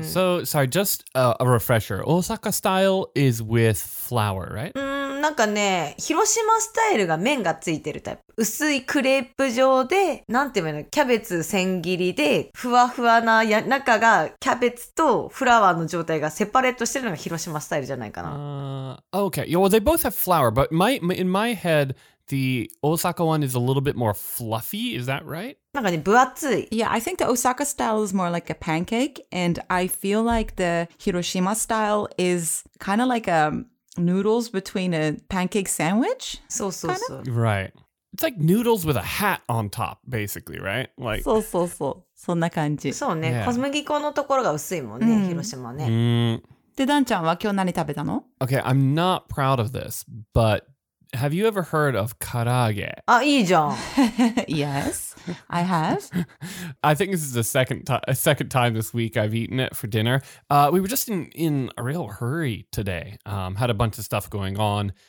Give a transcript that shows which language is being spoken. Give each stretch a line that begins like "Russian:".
English: So, sorry, just a refresher. 大阪 style is with flour, right?
Japanese: なんかね、広島スタイルが麺がついてるタイプ。薄いクレープ状で、なんていうの、キャベツ千切りで、ふわふわな中がキャベツとフラワーの状態がセパレートしてるのが広島スタイルじゃないかな。
English: Okay, well, they both have flour, but in my head, the Osaka one is a little bit more fluffy, is that right?
Japanese: なんかね、分厚い。
English: Yeah, I think the Osaka style is more like a pancake, and I feel like the Hiroshima style is kind of like a noodles between a pancake sandwich.
Japanese: そうそうそう。
English: Kinda? Right. It's like noodles with a hat on top, basically, right? Like,
Japanese: そうそうそう。そんな感じ。そうね。小麦粉のところが薄いもんね、広島ね。で、ダンちゃんは今日何食べたの？
English: Okay, I'm not proud of this, but have you ever heard of karaage?
Japanese: あ、いいじゃん。
English: Yes, I have. I think this is the second time this week I've eaten it for dinner. We were just in a real hurry today. Had a bunch of stuff going on.